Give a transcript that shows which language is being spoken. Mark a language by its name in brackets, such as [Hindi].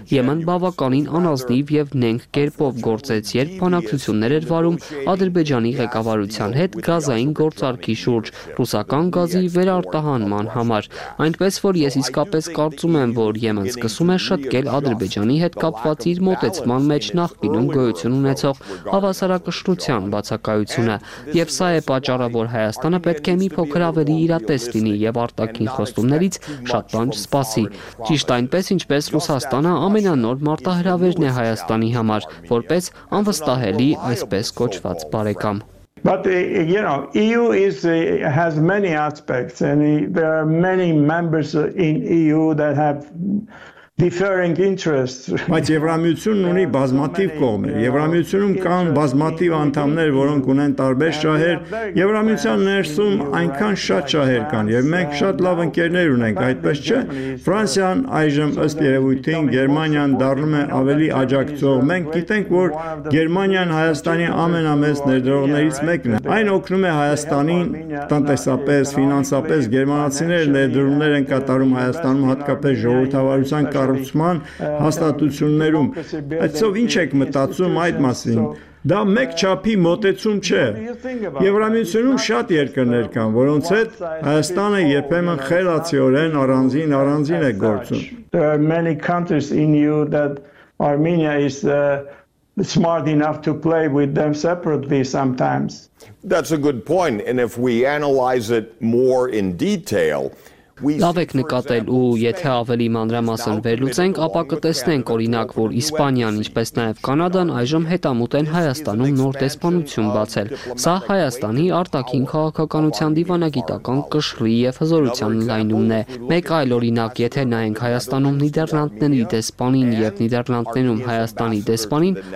[Armenian] Եմեն բավականին անազնիվ եւ նենք կերպով գործեց, երբ բանակցություններ էր վարում Ադրբեջանի ղեկավարության հետ գազային գործարքի շուրջ ռուսական գազի վերարտահանման համար։ Այնպես որ ես իսկապես կարծում եմ, որ Եմեն սկսում է շտկել Ադրբեջանի հետ կապված իր մոտեցման մեջ նախկինում գոյություն ունեցող հավասարակշռության բացակայությունը, եւ սա է պատճառը, որ Հայաստանը պետք է մի փոքր ավելի իրատես լինի եւ արտաքին խոստումներից շատ բան չսպասի, ճիշտ այնպես, ինչպես Ռուսաստանը ամենանոր մարտահրավերն է Հայաստանի համար, որպես անվստահելի այսպես կոչված բարեկամ։ [English] But you know, EU is has many aspects, and there are many members in EU that have differing interests. [Armenian] Բայց Եվրամիությունն ունի բազմաթիվ կողմեր։ Եվրամիությունում կան բազմաթիվ անդամներ, որոնք ունեն տարբեր շահեր։ Եվրամիության ներսում այնքան շատ շահեր կան, եւ մենք շատ լավ ընկերներ ունենք, այդպես չէ՞։ Ֆրանսիան այժմ ըստ երևույթին Գերմանիան դառնում է ավելի աջակցող։ Մենք գիտենք, որ Գերմանիան Հայաստանի ամենամեծ ներդրողներից մեկն է։ Այն օգնում է Հայաստանին տնտեսապես, ֆինանսապես, գերմանացիները ներդրումներ են կատարում Հայաստանում, հատկապես ժողովրդավարության կառուցման հաստատություններում։ Այսով ինչ եք մտածում այդ մասին։ Դա մեկ չափի մոտեցում չէ։ Եվրամիությունում շատ երկրներ կան, որոնց հետ Հայաստանը երբեմն խելացիորեն առանձին է գործում։ [English] There are many countries in EU that Armenia is smart enough to play with them separately sometimes. That's a good point, and if we analyze it more in detail, [Armenian] լավ եք նկատել, ու եթե ավելի մանրամասն վերլուծենք, ապա կտեսնենք, օրինակ, որ Իսպանիան, ինչպես նաև Կանադան, այժմ հետամուտ են Հայաստանում նոր դեսպանություն բացել։ Սա Հայաստանի արտաքին քաղաքականության դիվանագիտական կշռի եւ հզորության լայնումն է։ Մեկ այլ օրինակ, եթե նայենք Հայաստանում Նիդերլանդների դեսպանին եւ Նիդերլանդներում Հայաստանի դեսպանին,